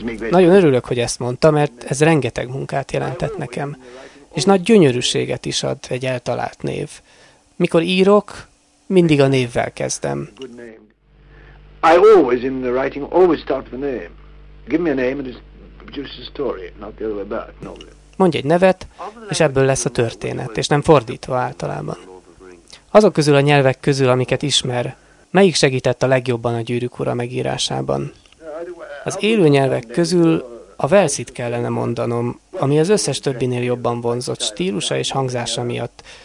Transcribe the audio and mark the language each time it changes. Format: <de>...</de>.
<hu>Nagyon örülök, hogy ezt mondta, mert ez rengeteg munkát jelentett nekem. És nagy gyönyörűséget is ad egy eltalált név. Mikor írok, mindig a névvel kezdem.</hu> <en>I always in the writing always start with a name. Give me a name and it produces a story, not the other way back, normally.</en> <hu>Mondj egy nevet, és ebből lesz a történet, és nem fordítva általában. Azok közül a nyelvek közül, amiket ismer, melyik segített a legjobban a Gyűrűk ura megírásában? Az élő nyelvek közül a Velszit kellene mondanom, ami az összes többinél jobban vonzott stílusa és hangzása miatt.</hu>